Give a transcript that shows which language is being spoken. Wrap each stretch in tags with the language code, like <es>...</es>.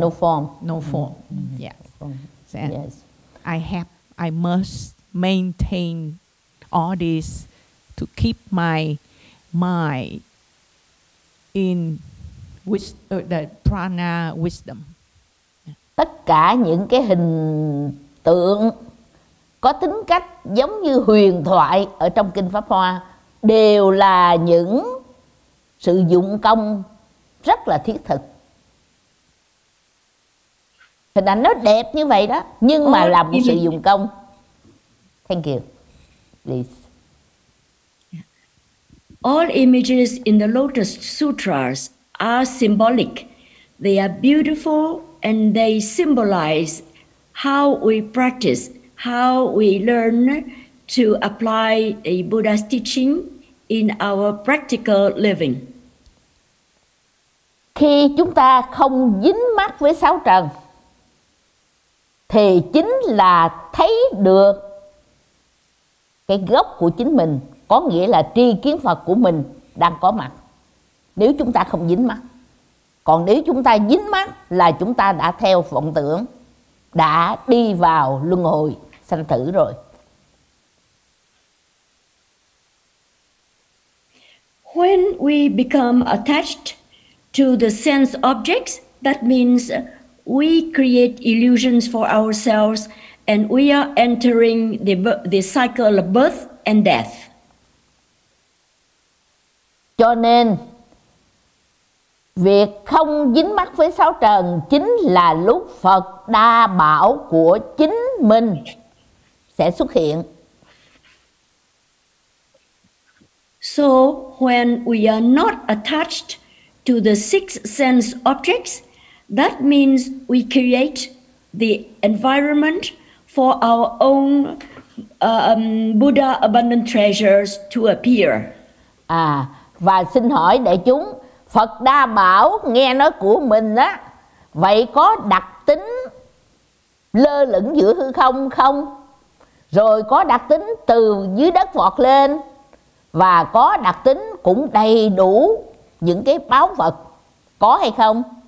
<en>No form. Mm-hmm. Yeah. Yes. I must maintain all this to keep my mind in the prana wisdom.</en> <vi>Tất cả những cái hình tượng có tính cách giống như huyền thoại ở trong Kinh Pháp Hoa đều là những sự dụng công rất là thiết thực. Hình ảnh nó đẹp như vậy đó, nhưng mà là một sự dụng công.</vi> <en>Thank you. Please. All images in the Lotus Sutras are symbolic. They are beautiful and they symbolize how we practice, how we learn to apply a Buddha's teaching in our practical living.</en> <vi>Khi chúng ta không dính mắc với sáu trần thì chính là thấy được cái gốc của chính mình, có nghĩa là tri kiến Phật của mình đang có mặt nếu chúng ta không dính mắc. Còn nếu chúng ta dính mắc là chúng ta đã theo vọng tưởng, đã đi vào luân hồi sanh tử rồi.</vi> <en>When we become attached to the sense objects, that means we create illusions for ourselves and we are entering the cycle of birth and death.</en> <vi>Cho nên việc không dính mắc với sáu trần chính là lúc Phật đa bảo của chính mình sẽ xuất hiện.</vi> <en>So when we are not attached to the six sense objects, that means we create the environment for our own Buddha abundant treasures to appear.</en> <vi>À, và xin hỏi đại chúng, Phật đa bảo nghe nói của mình á, vậy có đặc tính lơ lửng giữa hư không không? Rồi có đặc tính từ dưới đất vọt lên, và có đặc tính cũng đầy đủ những cái báu vật, có hay không?</vi>